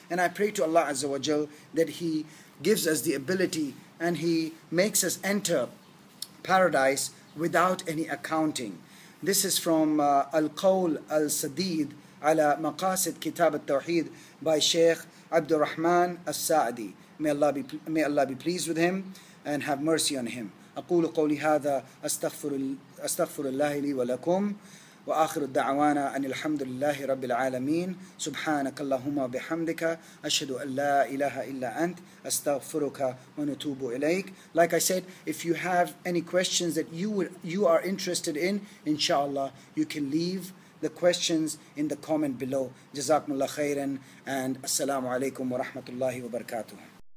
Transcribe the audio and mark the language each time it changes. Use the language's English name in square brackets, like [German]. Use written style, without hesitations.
[English] And I pray to Allah Azza wa Jal that He gives us the ability and He makes us enter paradise without any accounting. This is from Al-Qawl Al-Sadid Ala Maqasid Kitab Al-Tawheed by Shaykh Abdul Rahman Al-Sa'di. May Allah be pleased with him and have mercy on him. [Arabic] أقول قولي هذا أستغفر الله لي ولكم وآخر الدعوانا أن الحمد لله رب العالمين سبحانك اللهم وبحمدك أشهد أن لا إله إلا أنت أستغفرك ونتوب إليك. [English] Like I said, if you have any questions that you are interested in, inshallah, you can leave the questions in the comment below. [Arabic] جزاكم الله خيرا [English] and [Arabic] السلام عليكم ورحمة الله وبركاته.